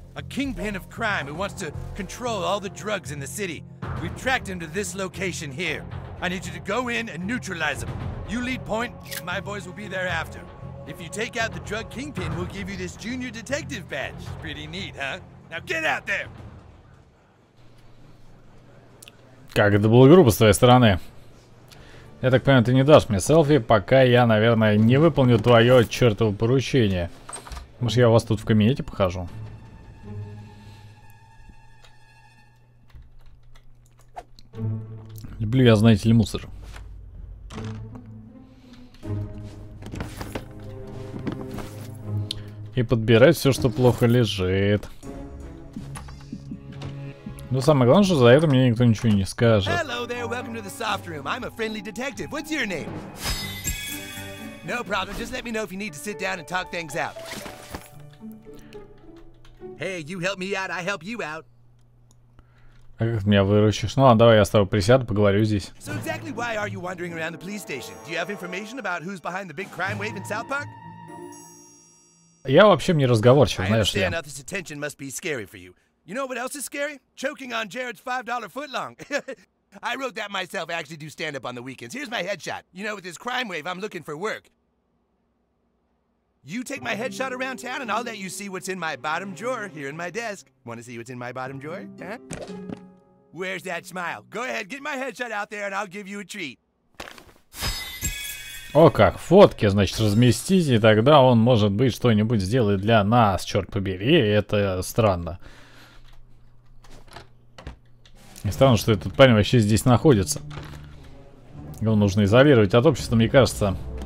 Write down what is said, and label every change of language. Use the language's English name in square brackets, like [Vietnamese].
[English] A kingpin of crime who wants to control all the drugs in the city. We've tracked him to this location here. I need you to go in and neutralize him. You lead point, my boys will be there after. If you take out the drug kingpin, we'll give you this junior detective badge. Pretty neat, huh? Now get out there! [Russian] Как это было грубо с твоей стороны. Я так понимаю, ты не дашь мне селфи, пока я, наверное, не выполню твое чертово поручение. Может, я у вас тут в кабинете похожу? Люблю я, знаете ли, мусор. И подбирать все, что плохо лежит. Ну, самое главное, что за это мне никто ничего не скажет. [English] Hello there, welcome to the soft room. I'm a friendly detective. What's your name? No problem, just let me know if you need to sit down and talk things out. Hey, you help me out, I help you out. [Russian] А как ты меня выручишь? Ну ладно, давай я с тобой присяду, поговорю здесь. [English] So exactly why are you wandering around the police station? Do you have information about who's behind the big crime wave in South Park? [Russian] Я вообще не разговорчив, знаешь ли. [English] I understand how this attention must be scary for you. You know what else is scary? Choking on Jared's $5 footlong. I wrote that myself. I actually do stand up on the weekends. Here's my headshot. You know, with this crime wave, I'm looking for work. You take my headshot around town, and I'll let you see what's in my bottom drawer here in my desk. Want to see what's in my bottom drawer? Huh? Where's that smile? Go ahead, get my headshot out there, and I'll give you a treat. [Russian] О как, фотки, значит, разместить, и тогда он, может быть, что-нибудь сделает для нас, черт побери, это странно. И странно, что этот парень вообще здесь находится. Его нужно изолировать от общества, мне кажется.